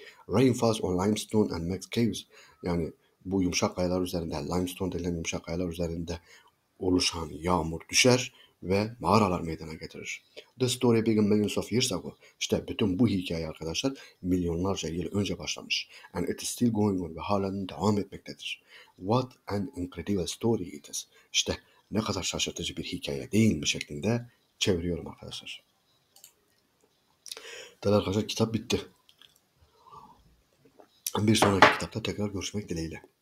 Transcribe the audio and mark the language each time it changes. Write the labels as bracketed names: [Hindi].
[English] Rain falls on limestone and makes caves. [Turkish] Yani bu yumuşak kayalar üzerinde, limestone denilen yumuşak kayalar üzerinde oluşan yağmur düşer ve mağaralar meydana getirir. [English] The story began millions of years ago. [Turkish] İşte bütün bu hikaye arkadaşlar milyonlarca yıl önce başlamış. [English] And it is still going on [Turkish] ve halen devam etmektedir. [English] What an incredible story it is. [Turkish] İşte ne kadar şaşırtıcı bir hikaye değil mi şeklinde çeviriyorum arkadaşlar. Değerli arkadaşlar kitap bitti. Bir sonraki kitapta tekrar görüşmek dileğiyle.